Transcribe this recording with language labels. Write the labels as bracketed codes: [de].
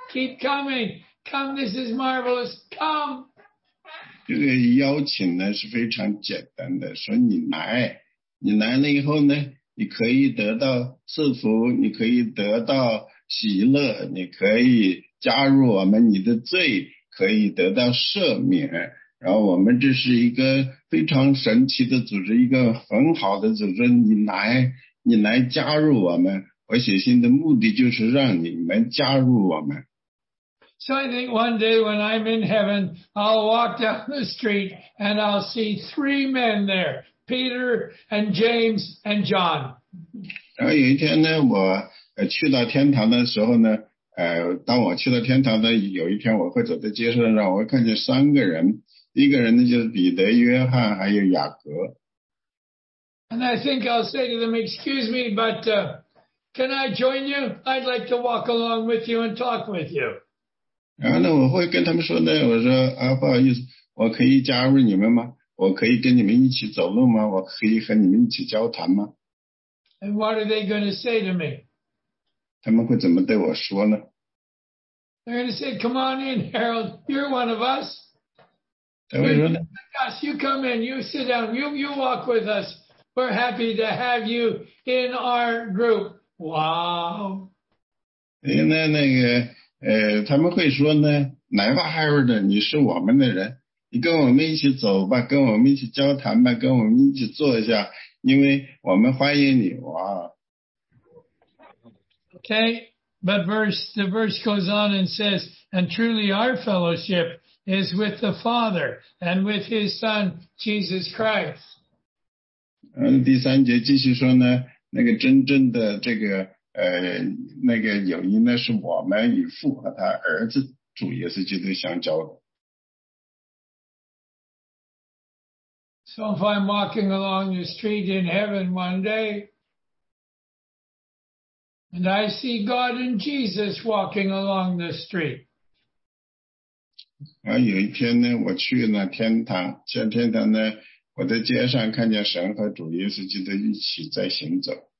[en] Keep coming. Come, this is marvelous. Come. [zh] 这个邀请呢是非常简单的，说你来，你来了以后呢，你可以得到赐福，你可以得到喜乐，你可以加入我们，你的罪可以得到赦免。然后我们这是一个非常神奇的组织，一个很好的组织，你来，你来加入我们。我写信的目的就是让你们加入我们。 [en] So I think one day when I'm in heaven, I'll walk down the street and I'll see three men there, Peter and James and John. [zh] 然后有一天呢，我去到天堂的时候呢，当我去到天堂的有一天，我会走在街上，让我会看见三个人。第一个人呢就是彼得、约翰还有雅各。 [en] And I think I'll say to them, excuse me, but can I join you? I'd like to walk along with you and talk with you. [zh] 然后呢，我会跟他们说呢，我说啊，不好意思，我可以加入你们吗？我可以跟你们一起走路吗？我可以和你们一起交谈吗 [en] ？And what are they going to say to me？ [zh] 他们会怎么对我说呢 [en] ？They're going to say, "Come on in, Harold. You're one of us." [zh] 他会说呢 [en] ？Yes, you come in. You sit down. You walk with us. We're happy to have you in our group. Wow. [zh] 那那个。他们会说呢，来吧 ，Harold， 你是我们的人，你跟我们一起走吧，跟我们一起交谈吧，跟我们一起坐一下，因为我们欢迎你。哇。 [en] Okay, but the verse goes on and says, and truly our fellowship is with the Father and with His Son Jesus Christ. [zh] 第三节继续说呢，那个真正的这个。那个友谊呢，是我们与父和他儿子主耶稣基督相交的。 [en] So if I'm walking along the street in heaven one day, and I see God and Jesus walking along the street, [zh] 然后有一天呢，我去了天堂，在天堂呢，我在街上看见神和主耶稣基督一起在行走。